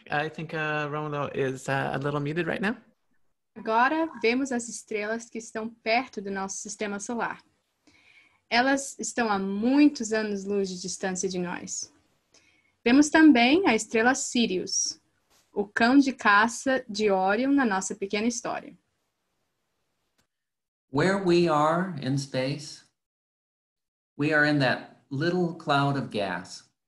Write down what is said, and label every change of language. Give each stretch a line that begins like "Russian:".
English: I think Romulo is a little muted right now.
Portuguese: Agora vemos as estrelas que estão perto do nosso sistema solar. Elas estão a muitos anos-luz de distância de nós. Vemos também a estrela Sirius, o cão de caça de Orion na nossa pequena história.
English: Where we are in space, we are in that little cloud of gas.